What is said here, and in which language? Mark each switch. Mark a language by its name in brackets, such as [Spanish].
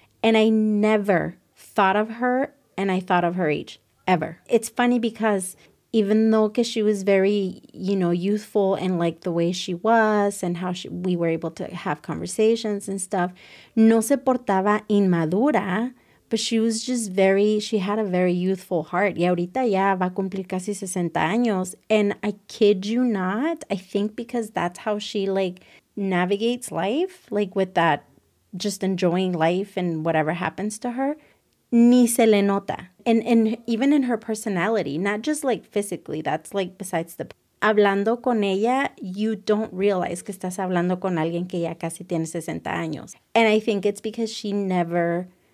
[English] And I never thought of her, and I thought of her age, ever. It's funny because even though cause she was very, you know, youthful and like the way she was and how we were able to have conversations and stuff, [Spanish] no se portaba inmadura, [English] but she was just very, she had a very youthful heart. [Spanish] Y ahorita ya va a cumplir casi 60 años. [English] And I kid you not, I think because that's how she like navigates life, like with that, just enjoying life and whatever happens to her, [Spanish] ni se le nota. [English] And even in her personality, not just like physically, that's like besides the, [Spanish] hablando con ella, [English] you don't realize [Spanish] que estás hablando con alguien que ya casi tiene 60 años. [English] And I think it's because she never